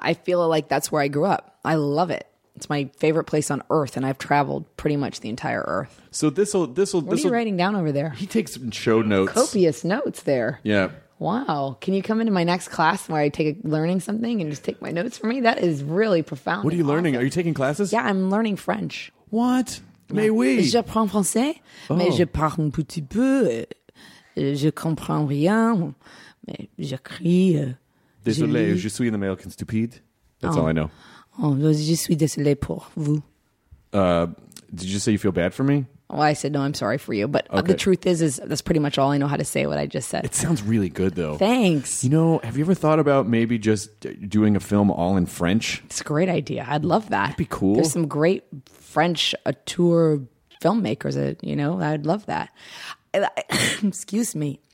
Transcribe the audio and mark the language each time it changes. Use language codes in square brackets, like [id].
[en] I feel like that's where I grew up. I love it. It's my favorite place on earth, and I've traveled pretty much the entire earth. So this will. What are you writing down over there? He takes show notes. Copious notes there. Yeah. Wow. Can you come into my next class where I take learning something and just take my notes for me? That is really profound. What are you learning? Are you taking classes? Yeah, I'm learning French. What? [fr] Mais oui. Je parle français, mais je parle un petit peu. Je comprends rien, mais je crie. Désolé, je suis un American stupide. [en] That's all I know. [fr] Oh, je suis désolé pour vous. [en] Did you say you feel bad for me? Well, I said, no, I'm sorry for you. But okay. The truth is that's pretty much all I know how to say what I just said. It sounds really good, though. Thanks. You know, have you ever thought about maybe just doing a film all in French? It's a great idea. I'd love that. That'd be cool. There's some great French auteur filmmakers, you know, I'd love that. Excuse me.